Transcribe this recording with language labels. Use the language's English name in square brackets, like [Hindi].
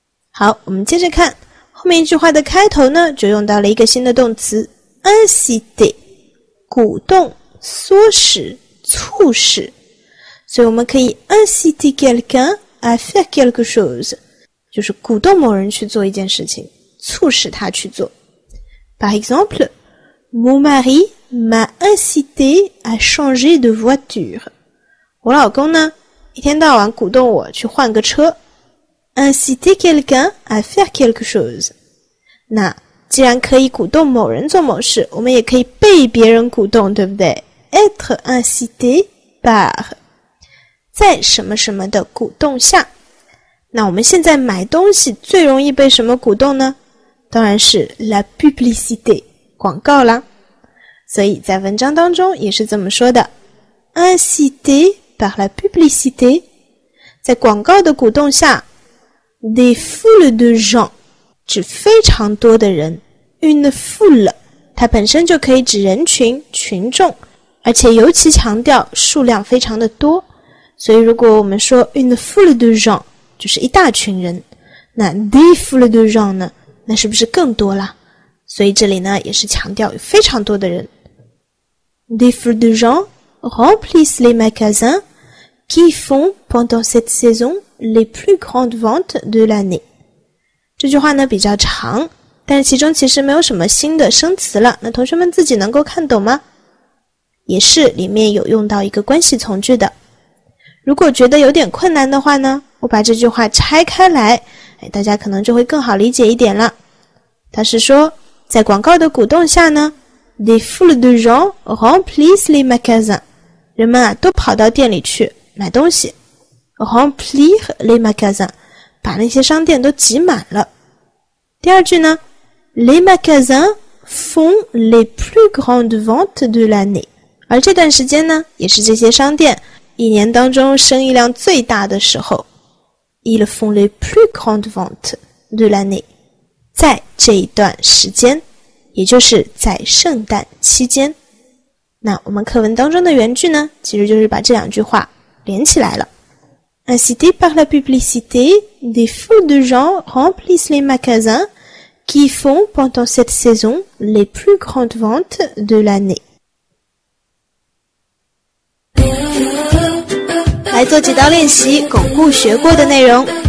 [Chinese] 好，我们接着看，后面一句话的开头呢，就用到了一个新的动词 inciter， 鼓动、唆使、促使。所以我们可以 [French] inciter quelqu'un à faire quelque chose， [Chinese] 就是鼓动某人去做一件事情，促使他去做。 [French] Par exemple, mon mari m'a incité à changer de voiture. [Chinese] 我老公呢，一天到晚鼓动我去换个车。 [French] Inciter quelqu'un à faire quelque chose. [Chinese] 那既然可以鼓动某人做某事，我们也可以被别人鼓动，对不对？ [French] Être incité par. [Chinese] 在什么什么的鼓动下。那我们现在买东西最容易被什么鼓动呢？当然是 [French] la publicité, [Chinese] 广告啦。所以在文章当中也是这么说的， [French] incité par la publicité, [Chinese] 在广告的鼓动下， [French] des foules de gens, [Chinese] 指非常多的人， [French] une foule, [Chinese] 它本身就可以指人群、群众，而且尤其强调数量非常的多。所以如果我们说 [French] une foule de gens, [Chinese] 就是一大群人，那 [French] des foules de gens [Chinese] 呢，那是不是更多了？所以这里呢，也是强调有非常多的人。 [French] Des foules de gens remplissent les magasins qui font pendant cette saison les plus grandes ventes de l'année. [Chinese] 这句话呢比较长，但是其中其实没有什么新的生词了。那同学们自己能够看懂吗？也是，里面有用到一个关系从句的。如果觉得有点困难的话呢，我把这句话拆开来，大家可能就会更好理解一点了。他是说，在广告的鼓动下呢， [French] des foules de gens remplissent les magasins， [Chinese] 人们啊都跑到店里去买东西。 [French] remplir les magasins， [Chinese] 把那些商店都挤满了。第二句呢， [French] les magasins font les plus grandes ventes de l'année， [Chinese] 而这段时间呢，也是这些商店一年当中生意量最大的时候。 [French] Ils font les plus grandes ventes de l'année. [Chinese] 在这一段时间，也就是在圣诞期间。那我们课文当中的原句呢，其实就是把这两句话连起来了。 [French] Incité par la publicité, des foules de gens remplissent les magasins qui font pendant cette saison les plus grandes ventes de l'année. [Chinese] 来做几道练习，巩固学过的内容。